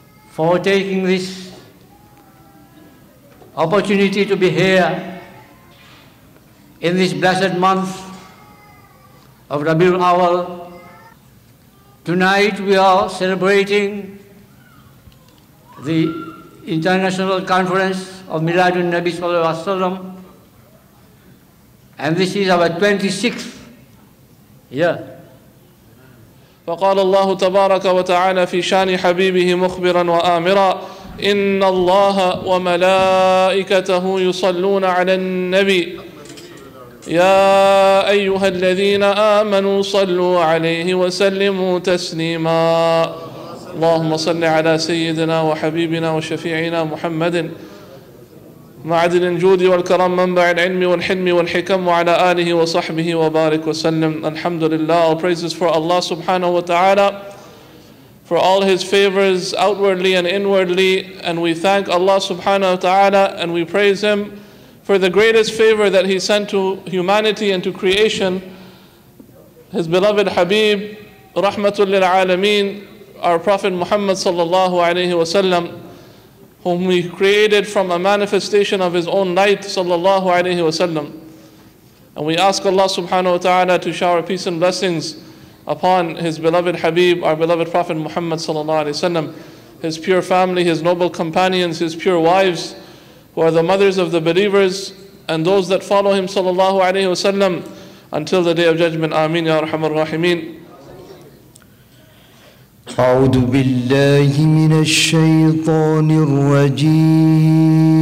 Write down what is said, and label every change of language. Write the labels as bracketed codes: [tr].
[en] for taking this opportunity to be here in this blessed month of Rabiul Awal. Tonight we are celebrating the International Conference of Milaad-Un-Nabisa Sallallahu Alaihi Wasallam, and this is our 26th year. [ar] فقال الله تبارك وتعالى في شان حبيبه مخبرا وآمرا إن الله وملائكته يصلون على النبي يا أيها الذين آمنوا صلوا عليه وسلموا تسليما اللهم صل على سيدنا وحبيبنا وشفيعنا محمد معدن الجود والكرم منبع العلم والحلم والحكم وعلى آله وصحبه وبارك وسلم الحمد لله. [en] All praises for Allah subhanahu wa ta'ala for all his favors outwardly and inwardly, and we thank Allah subhanahu wa ta'ala and we praise him for the greatest favor that he sent to humanity and to creation, his beloved Habib rahmatul lil alameen, our Prophet Muhammad sallallahu alayhi wa sallam, whom he created from a manifestation of his own light, sallallahu alayhi wa sallam. And we ask Allah subhanahu wa ta'ala to shower peace and blessings upon his beloved Habib, our beloved Prophet Muhammad sallallahu alayhi wa sallam, his pure family, his noble companions, his pure wives, who are the mothers of the believers, and those that follow him sallallahu alayhi wa sallam until the day of judgment. [ar] Ameen ya rahman rahimeen. أعوذ بالله من الشيطان الرجيم